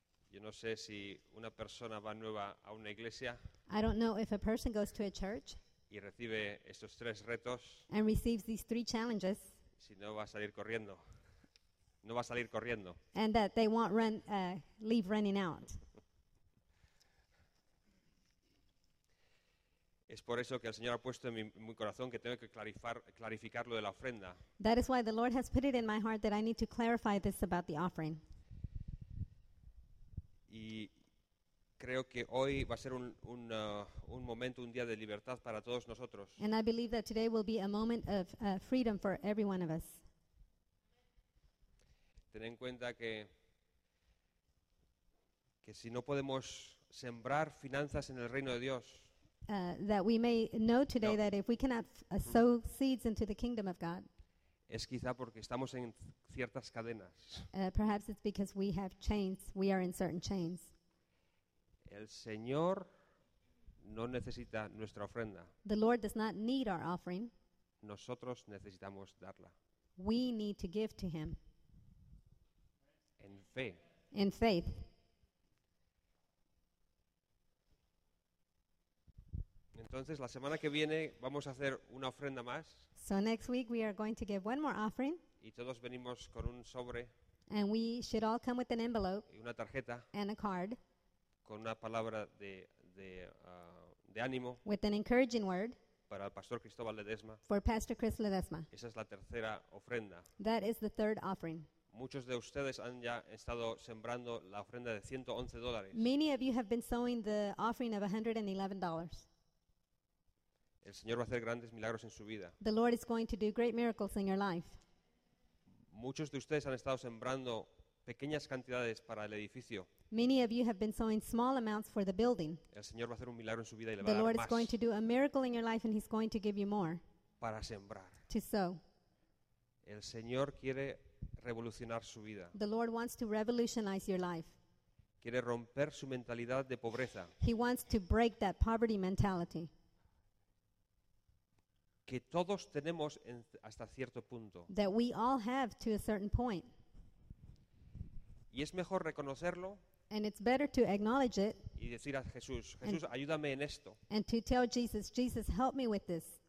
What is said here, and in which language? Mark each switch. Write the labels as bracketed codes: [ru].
[es] Yo no sé si una persona va nueva a una iglesia [en] I don't know if a person goes to a church [es] y recibe estos tres retos [en] and receives these three challenges [es] si no va a salir corriendo. No va a salir corriendo. [en] And that they won't run, leave running out. [es] Es por eso que el Señor ha puesto en mi corazón que tengo que clarificar lo de la ofrenda. [en] That is why the Lord has put it in my heart that I need to clarify this about the offering. [es] Y creo que hoy va a ser un momento, un día de libertad para todos nosotros. [en] And I believe that today will be a moment of freedom for every one of us. [es] Ten en cuenta que si no podemos sembrar finanzas en el reino de Dios, [en] that we may know today no. That if we cannot sow seeds into the kingdom of God, [es] es quizá porque estamos en ciertas cadenas. [en] Perhaps it's because we have chains. We are in certain chains. [es] El Señor no necesita nuestra ofrenda. [en] The Lord does not need our offering. [es] Nosotros necesitamos darla. [en] We need to give to Him. [es] En fe. [en] In faith. [es] Entonces, la semana que viene vamos a hacer una ofrenda más. [en] So next week we are going to give one more offering. [es] Y todos venimos con un sobre. [en] And we should all come with an envelope. [es] Y una tarjeta. [en] And a card. [es] Con una palabra de ánimo. [en] With an encouraging word. [es] Para el pastor Cristóbal Ledesma. [en] For Pastor Chris Ledesma. [es] Esa es la tercera ofrenda. [en] That is the third offering. [es] Muchos de ustedes han ya estado sembrando la ofrenda de $111. [en] Many of you have been sowing the offering of $111. [es] El Señor va a hacer grandes milagros en su vida. [en] The Lord is going to do great miracles in your life. [es] Muchos de ustedes han estado sembrando pequeñas cantidades para el edificio. [en] Many of you have been sowing small amounts for the building. [es] El Señor va a hacer un milagro en su vida y le va a dar más. [en] The Lord is going to do a miracle in your life and He's going to give you more. [es] Para sembrar. [en] To sow. [es] El Señor quiere revolucionar su vida. [en] The Lord wants to revolutionize your life. [es] Quiere romper su mentalidad de pobreza. [en] He wants to break that poverty mentality. [es] Que todos tenemos hasta cierto punto. [en] That we all have to a certain point. [es] Y es mejor reconocerlo. [en] And it's better to acknowledge it. [es] Y decir a Jesús, Jesús, ayúdame en esto. [en] And to tell Jesus, Jesus, help me with this.